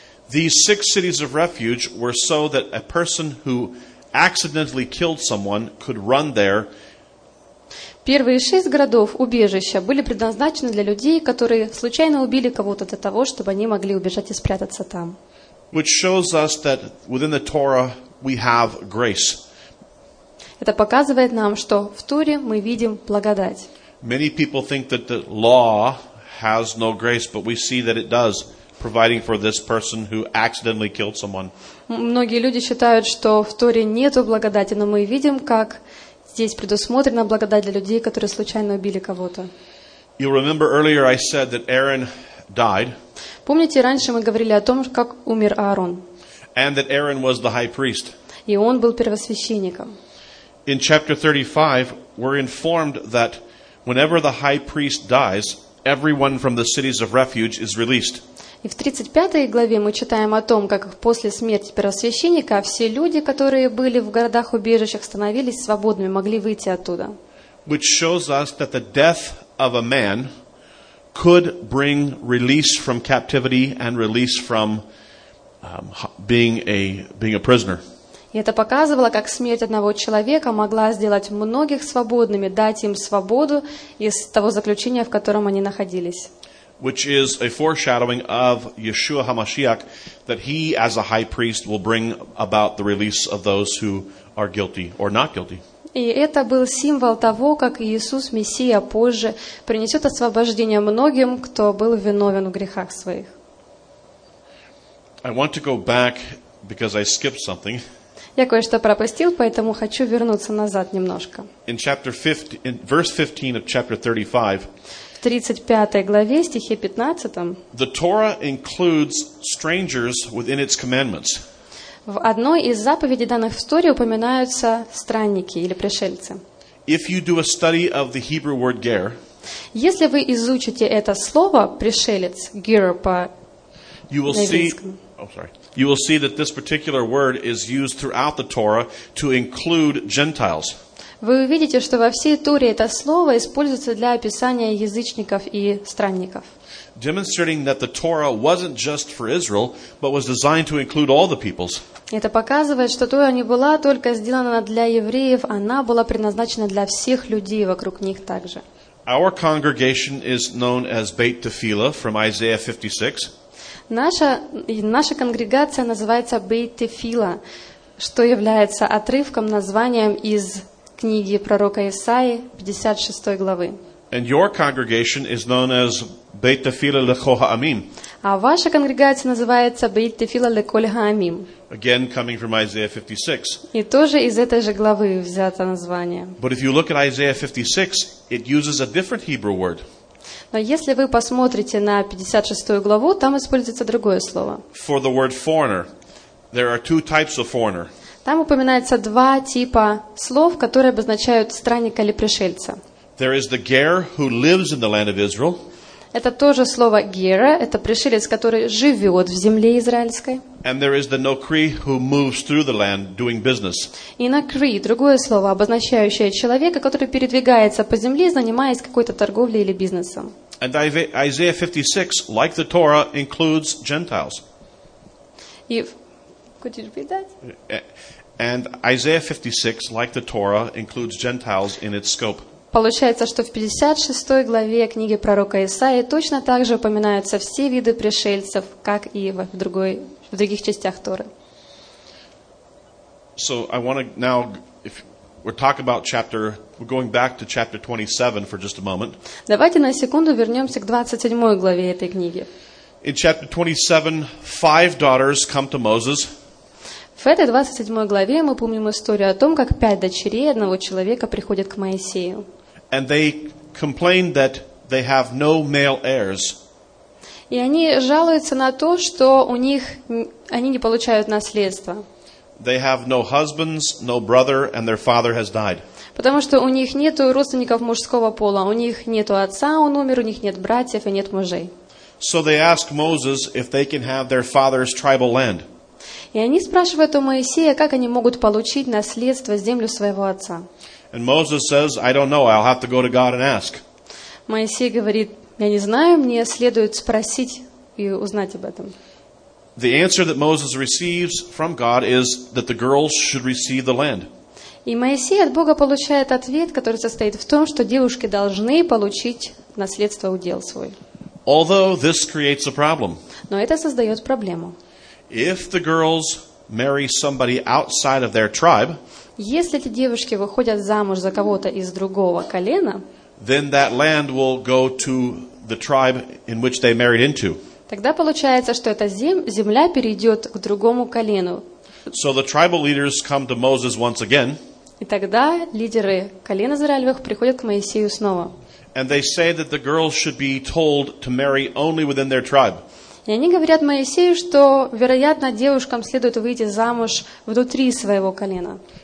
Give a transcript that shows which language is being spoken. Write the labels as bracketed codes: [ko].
[en] These 6 cities of refuge were so that a person who accidentally killed someone could run there. [ru] Первые 6 городов убежища были предназначены для людей, которые случайно убили кого-то для того, чтобы они могли убежать и спрятаться там. [en] Which shows us that within the Torah we have grace. [ru] Это показывает нам, что в Торе мы видим благодать. [en] Many people think that the law has no grace, but we see that it does, providing for this person who accidentally killed someone. [ru] Многие люди считают, что в Торе нету благодати, но мы видим, как здесь предусмотрена благодать для людей, которые случайно убили кого-то. [en] You remember earlier I said that Aaron died. [ru] Помните, раньше мы говорили о том, как умер Аарон. [en] And that Aaron was the high priest. [ru] И он был первосвященником. [en] In chapter 35, we're informed that whenever the high priest dies, everyone from the cities of refuge is released. [ru] И в 35 главе мы читаем о том, как после смерти первосвященника все люди, которые были в городах-убежищах, становились свободными, могли выйти оттуда. [en] Which shows us that the death of a man could bring release from captivity and release from being a prisoner. [ru] И это показывало, как смерть одного человека могла сделать многих свободными, дать им свободу из того заключения, в котором они находились. [en] Which is a foreshadowing of Yeshua HaMashiach, that he, as a high priest, will bring about the release of those who are guilty or not guilty. [ru] И это был символ того, как Иисус, Мессия, позже принесет освобождение многим, кто был виновен в грехах своих. [en] I want to go back because I skipped something. [ru] Я кое-что пропустил, поэтому хочу вернуться назад немножко. [en] In chapter 15, in verse 15 of chapter 35. [ru] В 35 главе, стихе 15. [en] The Torah includes strangers within its commandments. [ru] В одной из заповедей, данных в Торе, упоминаются странники или пришельцы. [en] If you do a study of the Hebrew word ger, [ru] если вы изучите это слово пришелец, ger по [en] you will see, oh, sorry. You will see that this particular word is used throughout the Torah to include Gentiles. [ru] Вы увидите, что во всей Торе это слово используется для описания язычников и странников. [en] Demonstrating that the Torah wasn't just for Israel, but was designed to include all the peoples. [ru] Это показывает, что Тора не была только сделана для евреев, она была предназначена для всех людей вокруг них также. [en] Our congregation is known as Beit Tefillah from Isaiah 56. [ru] Наша конгрегация называется Beit Tefillah, что является отрывком, названием из книги пророка Исаии, 56 главы. [en] And your congregation is known as Beit Tefillah Lecho Ha'amim. [ru] А ваша конгрегация называется Beit Tefillah Lekol Ha'amim. [en] Again, coming from Isaiah 56. [ru] И тоже из этой же главы взято название. [en] But if you look at Isaiah 56, it uses a different Hebrew word. [ru] Но если вы посмотрите на 56 главу, там используется другое слово. [en] For the word foreigner, there are two types of foreigner. [ru] Там упоминается два типа слов, которые обозначают странника или пришельца. [en] There is the ger who lives in the land of Israel. [ru] Это тоже слово гера, это пришелец, который живет в земле израильской. [en] And there is the nokri who moves through the land doing business. [ru] И нокри, другое слово, обозначающее человека, который передвигается по земле, занимаясь какой-то торговлей или бизнесом. [en] And Isaiah 56, like the Torah, includes Gentiles. Could you repeat that? And Isaiah 56, like the Torah, includes Gentiles in its scope. [ru] Получается, что в 56 главе книги пророка Исаии точно так же упоминаются все виды пришельцев, как и в других частях Торы. [en] So I want to now, if we're talking about chapter, we're going back to chapter 27 for just a moment. [ru] Давайте на секунду вернемся к 27 главе этой книги. [en] In chapter 27, five daughters come to Moses. [ru] В этой 27 главе мы помним историю о том, как пять дочерей одного человека приходят к Моисею. [en] And they complain that they have no male heirs. [ru] И они жалуются на то, что у них они не получают наследство. [en] They have no husbands, no brother, and their father has died. [ru] Потому что у них нету родственников мужского пола, у них нету отца, он умер, у них нет братьев и нет мужей. [en] So they ask Moses if they can have their father's tribal land. [ru] И они спрашивают у Моисея, как они могут получить наследство, землю своего отца. [en] And Moses says, I don't know, I'll have to go to God and ask. [ru] Моисей говорит, я не знаю, мне следует спросить и узнать об этом. [en] The answer that Moses receives from God is that the girls should receive the land. [ru] И Моисей от Бога получает ответ, который состоит в том, что девушки должны получить наследство, удел свой. [en] Although this creates a problem. [ru] Но это создает проблему. [en] If the girls marry somebody outside of their tribe, [ru] если эти девушки выходят замуж за кого-то из другого колена, [en] then that land will go to the tribe in which they married into. [ru] Тогда получается, что эта земля перейдет к другому колену. [en] So the tribal leaders come to Moses once again. [ru] И тогда лидеры колена Израилевых приходят к Моисею снова. [en] And they say that the girls should be told to marry only within their tribe. [ru] И они говорят Моисею, что, вероятно, девушкам следует выйти замуж внутри своего колена.